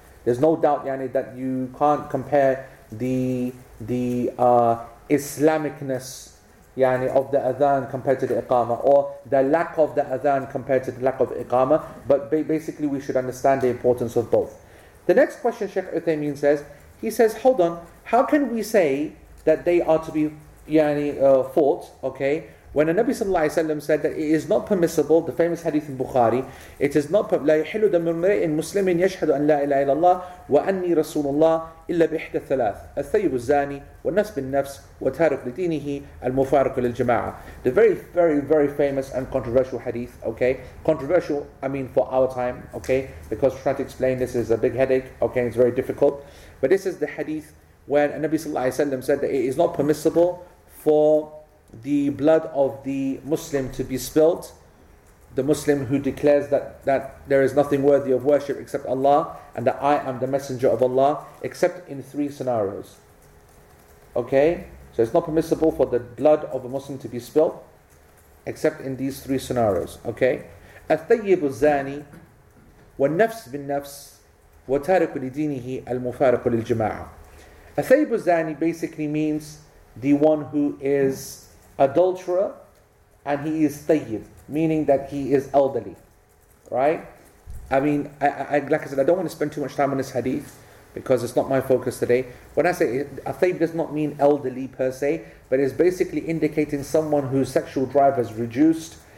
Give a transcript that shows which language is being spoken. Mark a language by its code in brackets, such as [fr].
[en] There's no doubt, yani, that you can't compare the Islamicness, yani, of the adhan compared to the iqama, or the lack of the adhan compared to the lack of iqama. But basically, we should understand the importance of both. The next question, Sheikh Uthaymeen says, he says, hold on, how can we say that they are to be fought? Okay. When the Nabi Sallallahu Alaihi Wasallam said that it is not [ar] permissible, the famous hadith in Bukhari, it is not لا يحل دم امرئ مسلم يشهد أن لا إله إلا الله وأني رسول الله إلا بإحدى الثلاث الثيب الزاني والنفس بالنفس وتارك لدينه المفارق للجماعة. [en] The very, very, very famous and controversial hadith, okay? Controversial, I mean, for our time, okay? Because trying to explain this is a big headache, okay? It's very difficult. But this is the hadith where the Nabi Sallallahu Alaihi Wasallam said that it is not permissible for the blood of the Muslim to be spilt, the Muslim who declares that there is nothing worthy of worship except Allah, and that I am the messenger of Allah, except in three scenarios. Okay? So it's not permissible for the blood of a Muslim to be spilt, except in these three scenarios. Okay? [ar] الثيب الزاني والنفس بالنفس وتارك لدينه المفارق للجماعة. الثيب الزاني [en] basically means the one who is adulterer, and he is tayyib, meaning that he is elderly, right? I mean, I like I said, I don't want to spend too much time on this hadith because it's not my focus today. When I say a tayyib does not mean elderly per se, but it's basically indicating someone whose sexual drive has reduced.